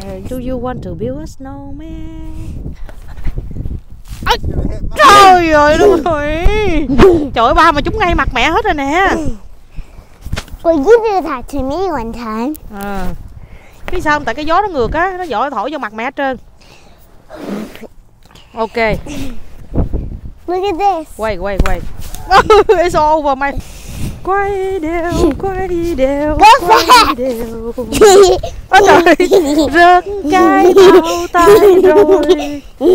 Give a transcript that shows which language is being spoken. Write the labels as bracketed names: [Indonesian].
[English] Do you want to build a snowman? [Vietnamese] Trời ơi, đúng rồi. Trời ơi, ba mà trúng ngay mặt mẹ hết rồi nè. [English] Will you do that to me one time? [Vietnamese] Cái sao tại cái gió nó ngược á, nó dội thổi vô mặt mẹ hết trơn. [English] Ok. Look at this. [Vietnamese] Quay. [English] It's all over my. [Vietnamese] Quay đều. [English] Go [Vietnamese] quay [English] fast. [Vietnamese] Đều. Ôi trời. Rớt cái bao tay rồi.